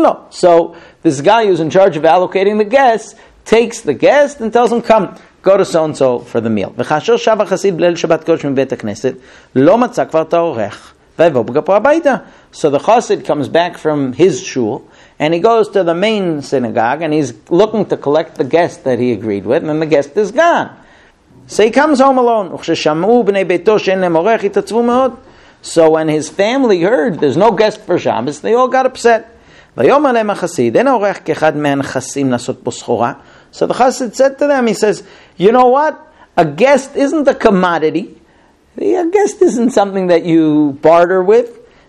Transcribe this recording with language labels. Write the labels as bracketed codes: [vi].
[en] So this guy who's in charge of allocating the guests takes the guest and tells him, come, go to so-and-so for the meal. [he] וכאשר שב החסיד בליל שבת קודש מבית הכנסת, לא מצא כבר את האורח, ויבוא בגפו הביתה. [en] So the chassid comes back from his shul, and he goes to the main synagogue, and he's looking to collect the guest that he agreed with, and the guest is gone. So he comes home alone. [he] וכששמעו בני ביתו שאין להם אורח, התעצבו מאוד. [en] So when his family heard there's no guest for Shabbos, they all got upset. [he] ויאמר להם החסיד, אין האורח כאחד מהנכסים לעשות בו סחורה. [en] So the chassid said to them, he says, you know what? A guest isn't a commodity. A guest isn't something that you barter with.